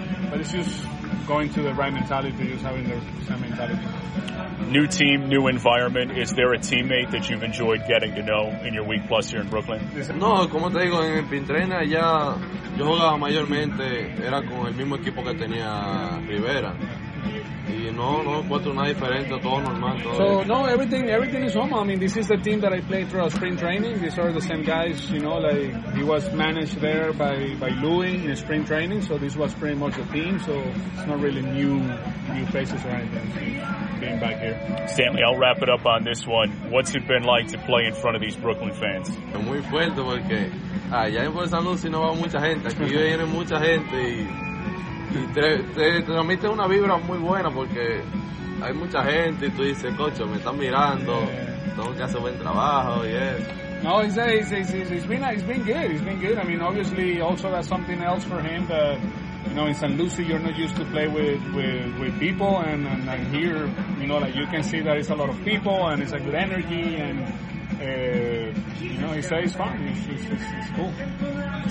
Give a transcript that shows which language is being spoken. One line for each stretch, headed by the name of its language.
English: But it's just going to the right mentality, just having the same mentality. New team, new environment. Is there a teammate that you've enjoyed getting to know in your week plus here in Brooklyn?
Spanish: No, como te digo, en el Pintrena allá yo jugaba mayormente, era con el mismo equipo que tenía Rivera. Y no encuentro nada diferente, todo normal. Todo
English: so, bien. No, everything is normal. I mean, this is the team that I played through our spring training. These are the same guys, you know, like, he was managed there by Louis in spring training. So this was pretty much the team. So it's not really new faces or anything being back here. Stanley, I'll wrap it up on this one. What's it been like to play in front of these Brooklyn fans?
Spanish: Muy fuerte porque allá en Puerto San Luis no va mucha gente. Aquí viene mucha gente y te transmite una vibra muy buena porque hay mucha gente y tú dices, cocho, me están mirando, tengo que hacer buen trabajo y eso.
English: No, it's been good. I mean, obviously, also that's something else for him, that, you know, in San Lucie, you're not used to play with people, and here, you know, like, you can see that it's a lot of people and it's a good energy, and you know, he says it's fun, it's cool.